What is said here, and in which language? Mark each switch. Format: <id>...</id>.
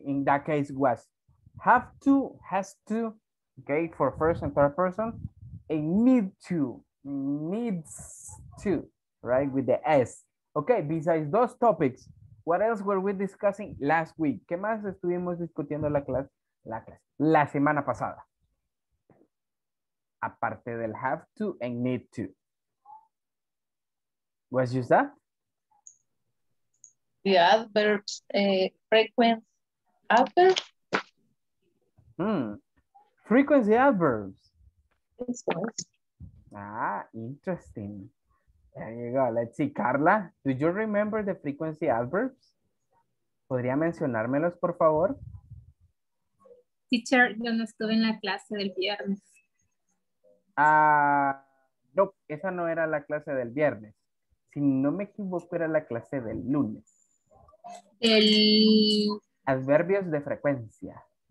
<en>In that case was have to, has to, okay, for first and third person, a need to, needs to, right, with the S. Okay, besides those topics, what else were we discussing last week?</en> <es>¿Qué más estuvimos discutiendo la clase, la semana pasada? Aparte del have to and need to.</es> <en>What's just that? The adverbs, frequent adverbs. Frequency adverbs. Yes, yes. Ah, interesting. There you go. Let's see, Carla, do you remember the frequency adverbs?</en> <es>¿Podría mencionármelos, por favor? Teacher, yo no estuve en la clase del viernes. Ah, no, esa no era la clase del viernes. Si no me equivoco, era la clase del lunes. El... adverbios de frecuencia.</es>